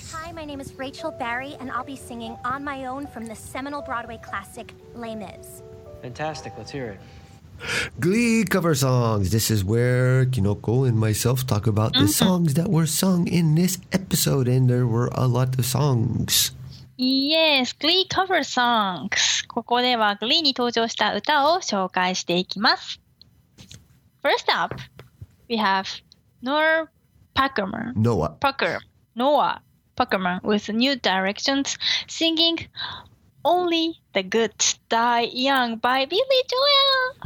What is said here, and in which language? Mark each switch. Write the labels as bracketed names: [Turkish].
[English] Hi, my name is Rachel Barry, and I'll be singing On My Own from the seminal Broadway classic, Les Mis. Fantastic, let's hear it. Glee cover songs. This is where Kinoko and myself talk about the songs that were sung in this episode, and there were a lot of songs. Yes, Glee cover songs. [Japanese] ここでは Glee に登場した歌を紹介していきます。 [English] First up, we have Noah Packerman. Noah Packerman with New Directions singing Only the Good Die Young by Billy Joel.